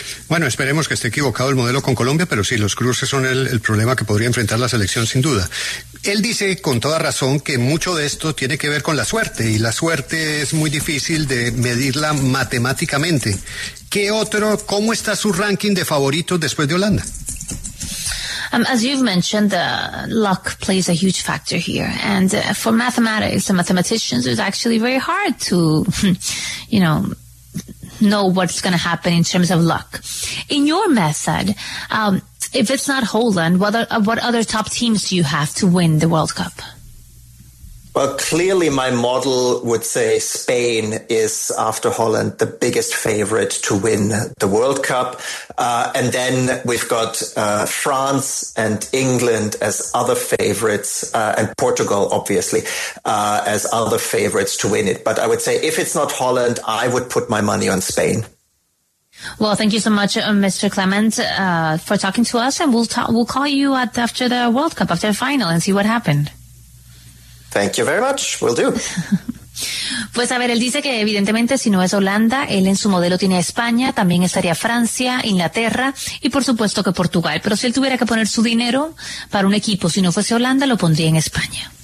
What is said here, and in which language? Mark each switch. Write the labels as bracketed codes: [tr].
[es] Bueno, esperemos que esté equivocado el modelo con Colombia, pero sí, los cruces son el problema que podría enfrentar la selección, sin duda. Él dice, con toda razón, que mucho de esto tiene que ver con la suerte, y la suerte es muy difícil de medirla matemáticamente. ¿Qué otro, cómo está su ranking de favoritos después de Holanda? [en] As you've mentioned, luck plays a huge factor here. And for mathematics and mathematicians, it's actually very hard to, you know what's going to happen in terms of luck. In your method, if it's not Holland, what other top teams do you have to win the World Cup? Well, clearly my model would say Spain is, after Holland, the biggest favorite to win the World Cup. And then we've got France and England as other favorites, and Portugal, obviously, as other favorites to win it. But I would say if it's not Holland, I would put my money on Spain. Well, thank you so much, Mr. Clement, for talking to us. And we'll call you after the World Cup, after the final, and see what happened. Thank you very much. Will do. [es] Pues a ver, él dice que evidentemente si no es Holanda, él en su modelo tiene a España, también estaría Francia, Inglaterra y por supuesto que Portugal. Pero si él tuviera que poner su dinero para un equipo, si no fuese Holanda, lo pondría en España.